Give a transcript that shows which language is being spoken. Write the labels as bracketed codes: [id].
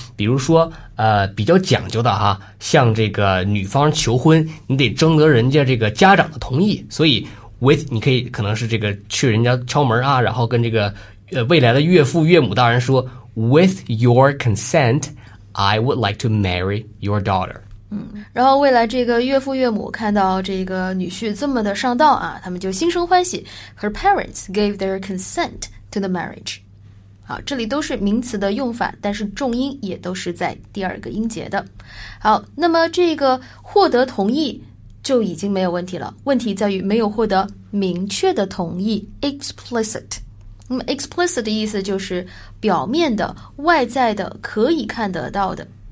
[zh] 比如说比较讲究的哈，像这个女方求婚，你得征得人家这个家长的同意，所以 with 你可以可能是这个去人家敲门啊，然后跟这个未来的岳父岳母大人说 [en] with your consent I would like to marry your daughter。 [zh] 然后未来这个岳父岳母看到这个女婿这么的上道啊，他们就心生欢喜。 [en] Her parents gave their consent to the marriage。 [zh] 好，这里都是名词的用法，但是重音也都是在第二个音节的。好，那么这个获得同意就已经没有问题了，问题在于没有获得明确的同意 explicit。那么 explicit 的意思就是表面的、外在的、可以看得到的。